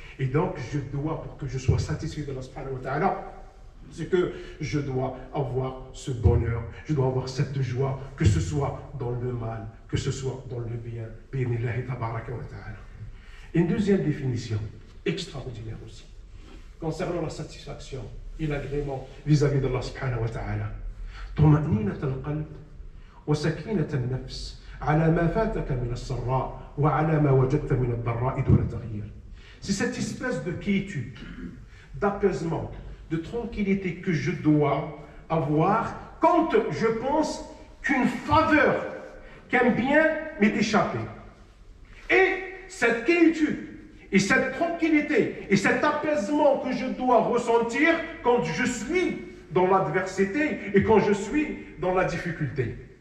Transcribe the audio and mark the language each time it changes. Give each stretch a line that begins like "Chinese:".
French: Et donc, je dois, pour que je sois satisfait de Allah subhanahu wa ta'ala, c'est que je dois avoir ce bonheur, je dois avoir cette joie, que ce soit dans le mal, que ce soit dans le bien. Bi'inillahi tabaraka wa ta'ala. Une deuxième définition, extraordinaire aussi, concernant la satisfaction et l'agrément vis-à-vis d'Allah subhanahu wa ta'ala.
Arabic: طمأنينة القلب وسكينة النفس على ما فاتك من السراء وعلى ما وجدت من الضراء دون تغيير.
French: C'est cette espèce de quiétude, d'apaisement, de tranquillité que je dois avoir quand je pense qu'une faveur, qu'un bien m'est échappé. Et cette quiétude et cette tranquillité et cet apaisement que je dois ressentir quand je suis dans l'adversité et quand je suis dans la difficulté.